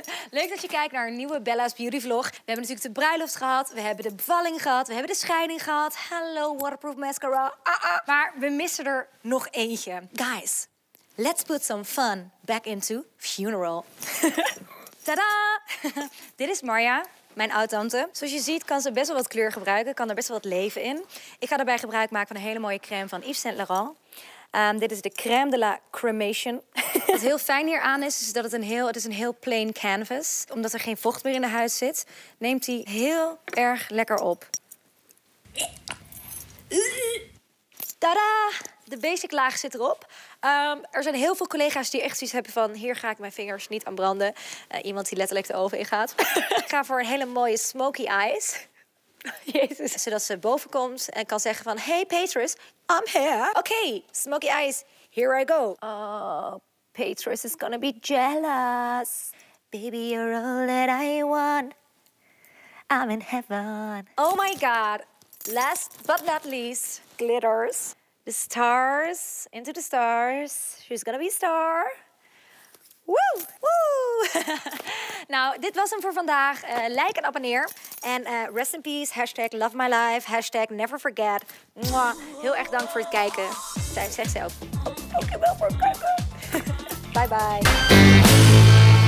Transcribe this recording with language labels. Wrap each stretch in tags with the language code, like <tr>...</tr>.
<nl>Leuk dat je kijkt naar een nieuwe Bella's Beauty Vlog. We hebben natuurlijk de bruiloft gehad, we hebben de bevalling gehad, we hebben de scheiding gehad. Hallo, waterproof mascara. Maar we missen er nog eentje.</nl> <en>Guys, let's put some fun back into funeral. Tadaa!</en> <nl>Dit is Marja, mijn oud-tante. Zoals je ziet kan ze best wel wat kleur gebruiken, kan er best wel wat leven in. Ik ga daarbij gebruik maken van een hele mooie crème van Yves Saint Laurent. Dit is de crème de la cremation. Wat heel fijn hier aan is, is dat het is een heel</nl> <en>plain canvas.</en> <nl>Omdat er geen vocht meer in de huid zit, neemt hij heel erg lekker op. Tada! De basic laag zit erop. Er zijn heel veel collega's die echt zoiets hebben van, hier ga ik mijn vingers niet aan branden. Iemand die letterlijk de oven ingaat. Ik ga voor een hele mooie smoky eyes. Jezus. Zodat ze boven komt en kan zeggen van, hey Petrus,</nl> <en>I'm here. Okay, smoky eyes, here I go. Oh, Petrus is gonna be jealous. Baby, you're all that I want. I'm in heaven. Oh my god. Last but not least, glitters. The stars, into the stars. She's gonna be a star. Woo! Woo!</en> <nl>Nou, dit was hem voor vandaag. Like en abonneer. En</nl> <en>rest in peace.</en> <nl>Hashtag</nl> <en>love my life. Hashtag never forget. Mwah.</en> <nl>Heel erg dank voor het kijken. Zij zegt zelf. Dankjewel voor het kijken. Bye bye.</nl>